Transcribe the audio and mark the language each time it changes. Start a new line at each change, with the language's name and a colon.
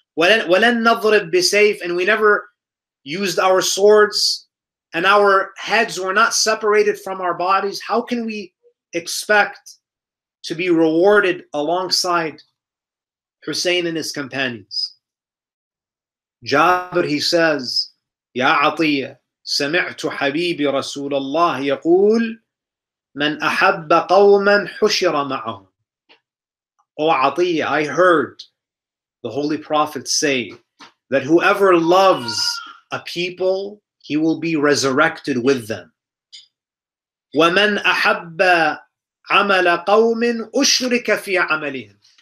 Arabic: وَلَن نَضْرِبْ بِسَيْفٍ,
English: and we never used our swords, and our heads were not separated from our bodies. How can we expect to be rewarded alongside Hussein and his companions? Jabir, he says,
Arabic: يَا عَطِيَّ سَمِعْتُ حَبِيبِ رَسُولَ اللَّهِ يَقُولُ مَنْ أَحَبَّ قَوْمًا حُشِرَ مَعَهُمْ.
English: O Atiyah, I heard the Holy Prophet say that whoever loves a people, he will be resurrected with them.
Arabic: وَمَنْ أَحَبَّ عَمَلَ قَوْمٍ أُشْرِكَ فِي عَمَلِهِمْ.